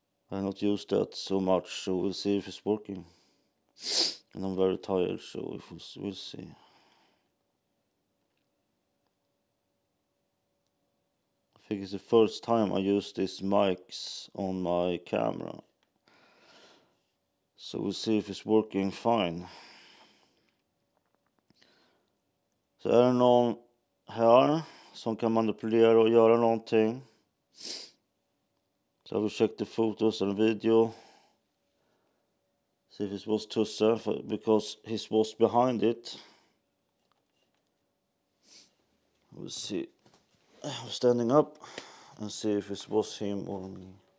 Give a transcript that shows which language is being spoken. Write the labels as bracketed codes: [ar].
[en] I not used that so much, so we'll see if it's working. And I'm very tired, so if we'll see. I think it's the first time I use these mics on my camera. So we'll see if it's working fine. [sv] Så är det någon här som kan manipulera och göra någonting? Så jag försökte fotos eller video. [en] See if it was Tusse, because he was behind it. We'll see. I'm standing up and see if it was him or me.